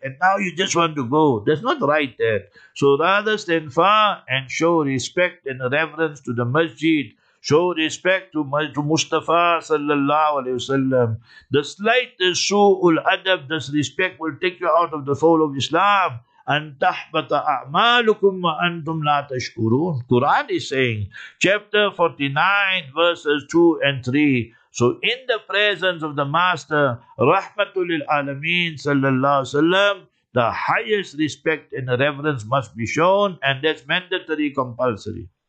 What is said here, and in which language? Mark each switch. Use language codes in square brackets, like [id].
[en] And now you just want to go. That's not right there. So rather stand far and show respect and reverence to the Masjid. Show respect to Mustafa sallallahu alayhi wasallam. The slightest su'ul adab, disrespect, will take you out of the fold of Islam. [ar] أن تحبط أعمالكم وأنتم لا تشكرون. [en] Quran is saying, chapter 49, verses 2 and 3. So in the presence of the Master, [ar] رحمت للعالمين صلى الله عليه وسلم, [en] the highest respect and reverence must be shown, and that's mandatory, compulsory.